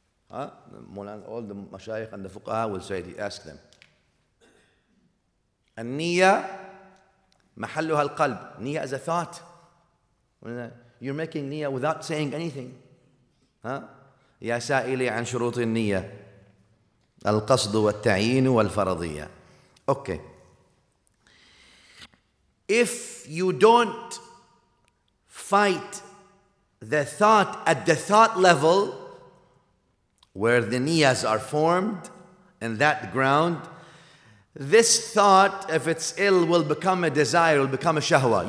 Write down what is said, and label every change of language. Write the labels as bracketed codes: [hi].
[en] All the mashayikh and the fuqaha will say it. Ask them. [ar] An-niyyah mahalluha al-qalb. [en] Niyyah is a thought. You're making niyyah without saying anything. [ar] Ya sa'ili an shuruti an-niyyah. القصد والتعيين والفرضية. [en] Okay. If you don't fight the thought at the thought level where the niyas are formed in that ground, this thought, if it's ill, will become a desire, will become a shahwa.